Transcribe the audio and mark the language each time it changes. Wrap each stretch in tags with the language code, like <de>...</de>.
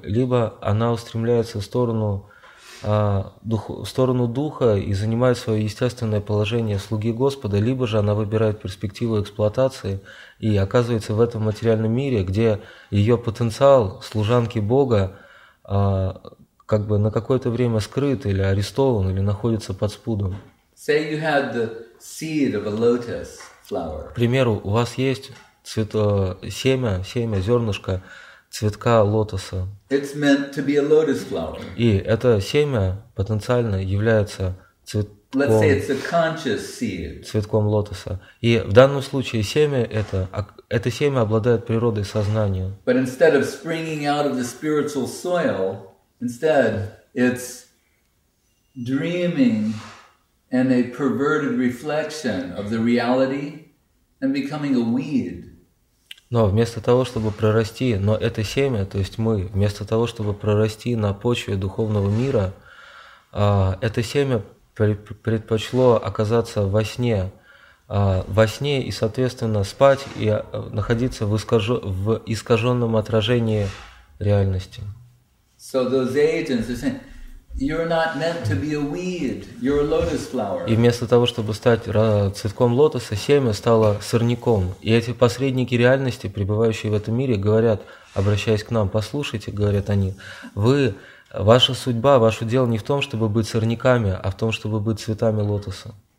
<ru>Либо она устремляется в сторону духа и занимает свое естественное положение слуги Господа, либо же она выбирает перспективу эксплуатации и оказывается в этом материальном мире, где ее потенциал служанки Бога как бы на какое-то время скрыт или арестован или находится под спудом.</ru> <en>Say you had the seed of a lotus flower.</en> <ru>К примеру, у вас есть семя, зернышко цветка лотоса.</ru> <en>It's meant to be a lotus flower.</en> <ru>И это семя потенциально является цветком.</ru> <en>Let's say it's a conscious seed.</en> <ru>Цветком лотоса. И в данном случае семя это семя обладает природой сознания.</ru> <en>But instead of springing out of the spiritual soil, instead, it's dreaming and a perverted reflection of the reality and becoming a weed.</en> <ru>Но вместо того, чтобы прорасти, но это семя, то есть мы, вместо того, чтобы прорасти на почве духовного мира, это семя предпочло оказаться во сне и, соответственно, спать и находиться в искаженном отражении реальности.</ru> <en>So those agents are saying, you're not meant to be a weed, you're a lotus flower.</en> <ru>И вместо того, чтобы стать цветком лотоса, семя стало сорняком. И эти посредники реальности, пребывающие в этом мире, говорят, обращаясь к нам, послушайте, говорят они, ваша судьба, ваше дело не в том, чтобы быть сорняками, а в том, чтобы быть цветами лотоса.</ru>